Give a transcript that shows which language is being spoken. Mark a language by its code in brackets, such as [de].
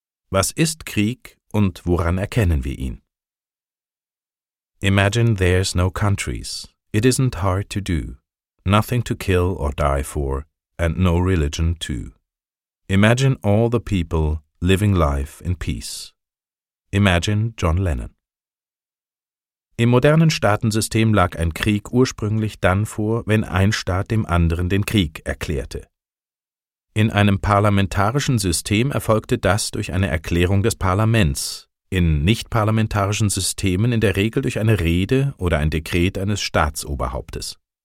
[de] Was ist Krieg und woran erkennen wir ihn? [en] Imagine there's no countries. It isn't hard to do. Nothing to kill or die for, and no religion too. Imagine all the people living life in peace. Imagine John Lennon. [de] Im modernen Staatensystem lag ein Krieg ursprünglich dann vor, wenn ein Staat dem anderen den Krieg erklärte. In einem parlamentarischen System erfolgte das durch eine Erklärung des Parlaments, in nichtparlamentarischen Systemen in der Regel durch eine Rede oder ein Dekret eines Staatsoberhauptes.